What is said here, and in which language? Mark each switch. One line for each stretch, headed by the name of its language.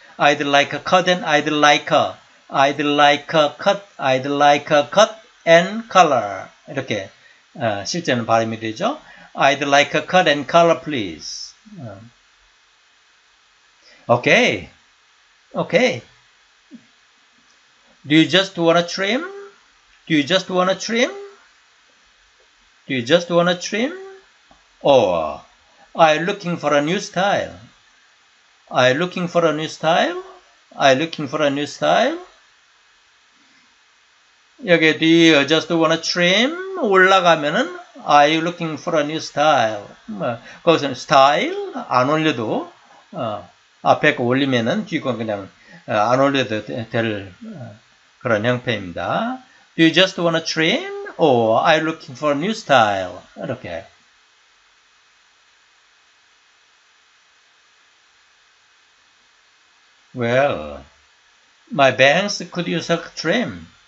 English: I'd like a cut and I'd like a. I'd like a cut, I'd like a cut and color.
Korean: 이렇게 실제는 발음이 되죠.
English: I'd like a cut and color, please. Okay. Okay. Do you just want to trim? Do you just want to trim? Do you just want to trim? Or are you looking for a new style? Are you looking for a new style? Are you looking for a new style?
Korean: 여기
English: Do you just want to trim?
Korean: 올라가면은
English: Are you looking for a new style?
Korean: 거기서는 style 안 올려도 앞에 거 올리면은 뒤거 그냥 안 올려도 될 그런 형태입니다.
English: Do you just want to trim? Or are you looking for a new style?
Korean: 이렇게
English: Well, my bangs could use a trim.